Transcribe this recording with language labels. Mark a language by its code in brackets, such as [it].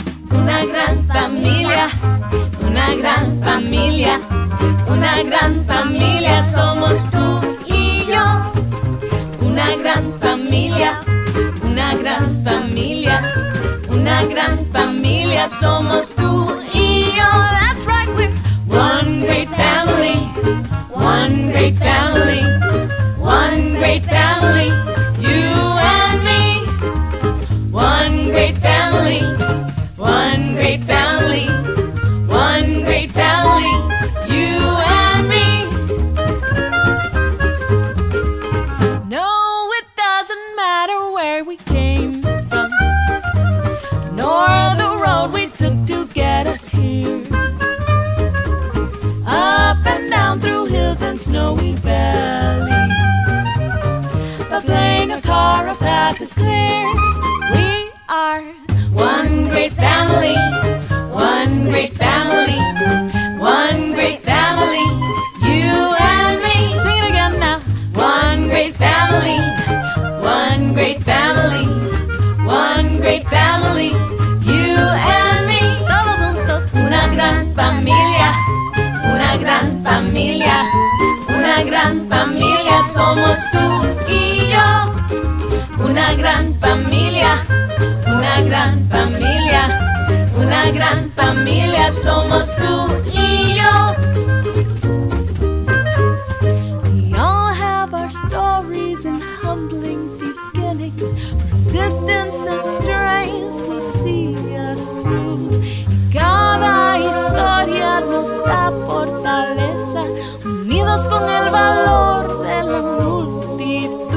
[es] Una gran familia, una gran familia, una gran familia somos tú y yo. Una gran familia, una gran familia, una gran familia somos tú y yo. [en] That's right, we're one great family. One great family, one great family, you and me. One great family, one great family, one great family, you and me. No, it doesn't matter where we came from, nor the road we took to get us here. Up and down through and snowy valleys, a plane, a car, a path is clear. We are one great family, one great family, one great family, you and me. Sing it again now. One great family, one great family, one great family, you and me. [es] Todos juntos. Una gran familia, una gran familia, una gran familia somos tú y yo. Una gran familia, una gran familia, una gran familia somos tú y yo. [en] We all have our stories and humbling beginnings. Persistence and strength will see us through. [es] Cada historia nos da fortaleza. Con el valor de la multitud.